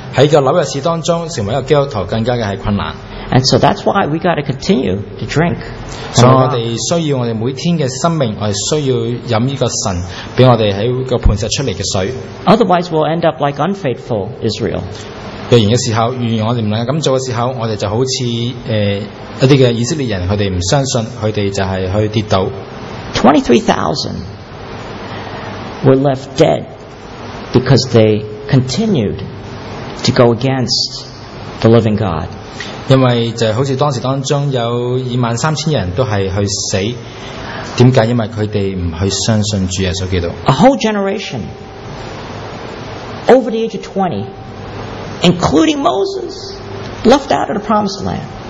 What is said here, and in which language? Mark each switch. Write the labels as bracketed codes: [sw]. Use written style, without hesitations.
[zh] 我们明白，就是说其实在我们生命当中，来紧的时间，在这个纽约市当中，成为一个基督徒，更加的是困难。 [en] And so that's why we got to continue to drink. Otherwise, we'll end up like unfaithful Israel. [zh] 若然的时候，如果我们不能够这样做的时候，我们就好像 [en] 23,000 were left dead because they continued to go against the living God. [zh] 因为就好像当时当中有23,000人都是去死，为什么？因为他们不去相信主耶稣基督。 [en] A whole generation over the age of 20, including Moses, left out of the promised land.